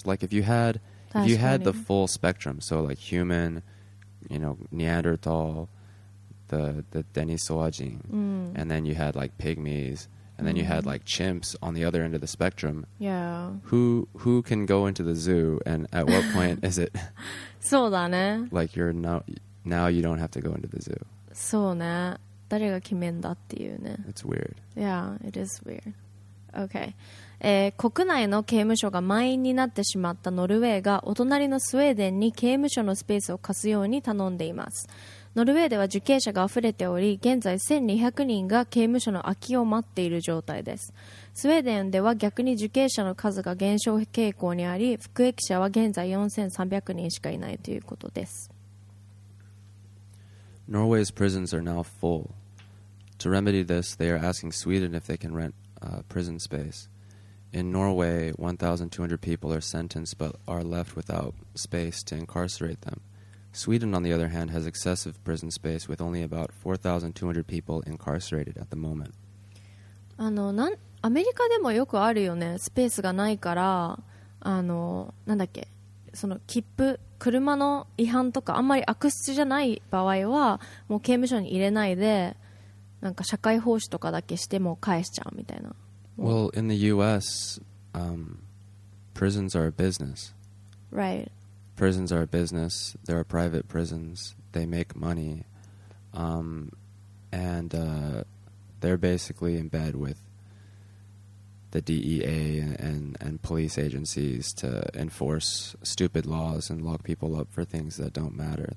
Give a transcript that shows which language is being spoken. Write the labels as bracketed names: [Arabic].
[English] Like if you had the full spectrum, so like human, you know, Neanderthal, the Denisovan, and then you had like pygmies, and then you had like chimps on the other end of the spectrum. Yeah. Who can go into the zoo and at what point is it? So だね. Like you're now you don't have to go into the zoo. So ne. [Japanese] 誰が決めんだっていうね [English] It's weird Yeah, it is weird Okay、 [Japanese] 国内の刑務所が満員になってしまったノルウェーがお隣のスウェーデンに刑務所のスペースを貸すように頼んでいますノルウェーでは受刑者が溢れており現在1200人が刑務所の空きを待っている状態ですスウェーデンでは逆に受刑者の数が減少傾向にあり服役者は現在4300人しかいないということです [English] Norway's prisons are now full. To remedy this, they are asking Sweden if they can rent prison space. In Norway, 1,200 people are sentenced but are left without space to incarcerate them. Sweden, on the other hand, has excessive prison space with only about 4,200 people incarcerated at the moment. [Japanese] アメリカでもよくあるよね。スペースがないから、なんだっけ? その切符車の違反とかあんまり悪質じゃない場合はもう刑務所に入れないでなんか社会奉仕とかだけしても返しちゃうみたいな [English] Well, in the US, prisons are a business. Right. Prisons are a business. There are private prisons. They make money. And they're basically in bed with the DEA and police agencies to enforce stupid laws and lock people up for things that don't matter.